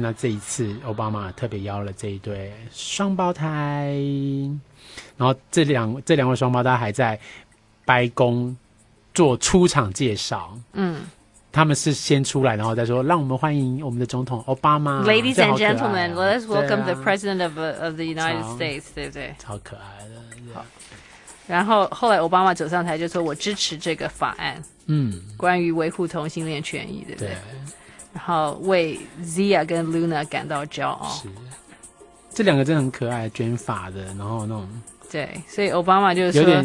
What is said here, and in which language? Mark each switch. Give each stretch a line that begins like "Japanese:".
Chinese: 那这一次奥巴马特别邀了这一对双胞胎，然后这两位双胞胎还在白宫做出场介绍。嗯。他们是先出来，然后再说，让我们欢迎我们的总统奥巴马。
English: Ladies and gentlemen, let's welcome the President of the United States.
Chinese: 对不对？超可爱的。好。然后后来奥巴马走上台就说：“我支持这个法案。” 嗯。关于维护同性恋权益，对不对？对。然后为 Zia 跟 Luna 感到骄傲。是。这两个真的很可爱，卷发的，然后那种。对，所以奥巴马就说